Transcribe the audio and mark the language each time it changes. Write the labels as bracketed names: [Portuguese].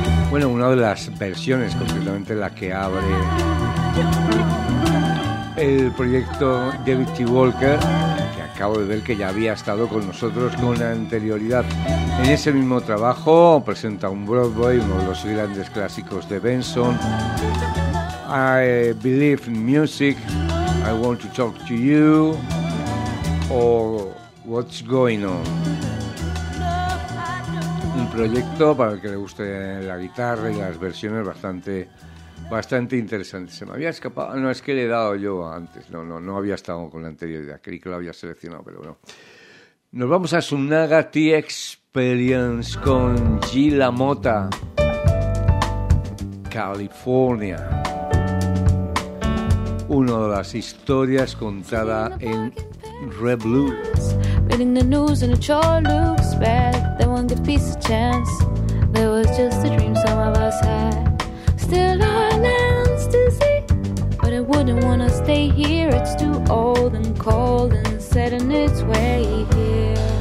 [Spanish] Bueno, una de las versiones, concretamente la que abre el proyecto David T. Walker, que acabo de ver que ya había estado con nosotros con anterioridad. En ese mismo trabajo presenta un Broadway, uno de los grandes clásicos de Benson. [English] I Believe in Music, I Want to Talk to You, o What's Going On. [Spanish] Un proyecto para el que le guste la guitarra y las versiones bastante, bastante interesante. Se me había escapado, no, es que le he dado yo antes, no había estado con la anterioridad, creí que lo había seleccionado, pero bueno. Nos vamos a Sunaga Tea Experience con G. LaMotta, California. Una de las historias contada en Red Blues. [English] Reading the news and it sure looks bad. They won't give peace a chance. There was just a dream some of us had. Still our lands to see, but it wouldn't wanna stay here. It's too old and cold and set in its way here.